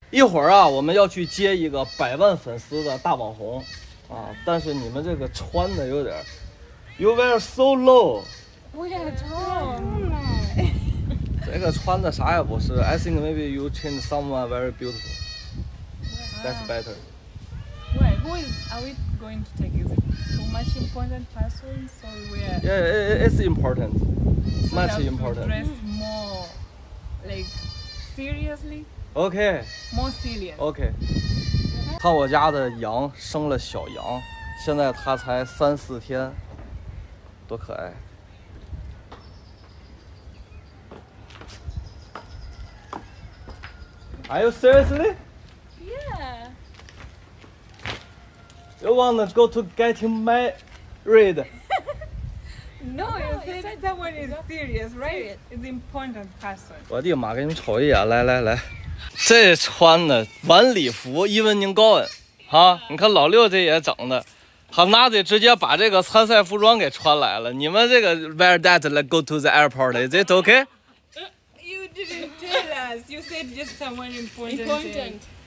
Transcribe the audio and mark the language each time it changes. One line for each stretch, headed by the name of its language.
Chinese: 一会儿啊，我们要去接一个百万粉丝的大网红啊，但是你们这个穿的有点 ，
English: You wear so low。
Chinese: 我也穿。这个穿的啥也不是
English: ，I think maybe you change someone very beautiful。 That's better. Wait, who are we going to take? Is it too much important person? So we are. Yeah, it's important. Much important. So we have to dress more, like seriously. Okay. More serious. Okay.
Chinese: 看我家的羊生了小羊，现在它才三四天，多可爱。
English: Are you seriously? Yeah. You wanna go to getting married? No, you think someone is serious, right? It's important person.
Chinese: 我的妈，给你们瞅一眼，来来来，这穿的晚礼服 ，evening gown， 哈，你看老六这也整的，好拿的直接把这个参赛服装给穿来了。你们这个
English: wear that like go to the airport? Is it okay? You didn't tell us. You said just someone important.